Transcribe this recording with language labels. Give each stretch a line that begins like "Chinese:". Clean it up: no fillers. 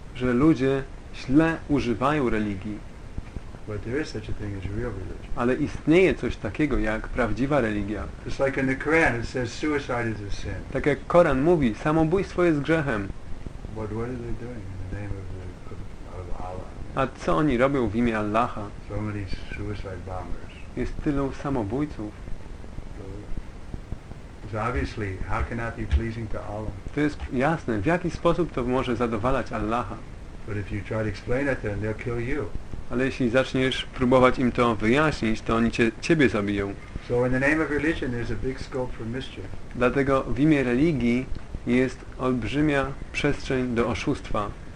Polish: Że ludzie źle używają religii.
English: But there is such a thing as real religion.
Polish: Ale istnieje coś takiego jak prawdziwa religia.
English: It's like in the Quran, it says suicide is a sin.
Polish: Tak jak Koran mówi, samobójstwo jest grzechem.
English: But what are they doing in the name of Allah?
Polish: A co oni robią w imię Allaha?
English: So many suicide bombers.
Polish: Jest tylu samobójców.
English: So obviously, how can that be pleasing to Allah?
Polish: To jest jasne, w jaki sposób to może zadowalać Allaha.
English: But if you try to explain it, then they'll kill you.
Polish: Ale jeśli zaczniesz próbować im to wyjaśnić, to oni ciebie zabiją.
English: So in the name of religion, there's a big scope for mischief.
Polish: Dlatego w imię religii jest olbrzymia przestrzeń do oszustwa.